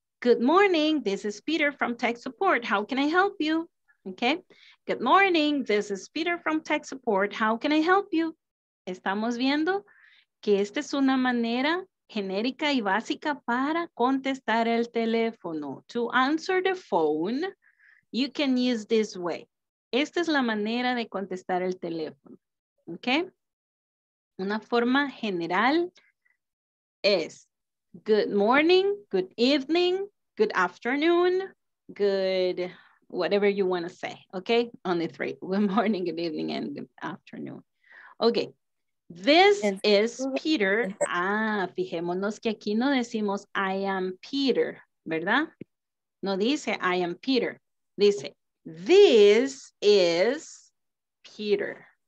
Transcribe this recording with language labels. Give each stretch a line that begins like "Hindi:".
English: Good morning, this is Peter from Tech Support. How can I help you? Okay, good morning, this is Peter from Tech Support. How can I help you?
Spanish: Estamos viendo que esta es una manera genérica y básica para contestar el teléfono.
English: To answer the phone, you can use this way.
Spanish: Esta es la manera de contestar el teléfono.
English: Ok,
Spanish: una forma general es
English: good morning, good evening, good afternoon, good whatever you want to say. Ok, only three, good morning, good evening, and good afternoon. Ok, this is Peter.
Spanish: Ah, fijémonos que aquí no decimos
English: I am Peter,
Spanish: ¿verdad? No dice
English: I am Peter,
Spanish: dice
English: this is Peter.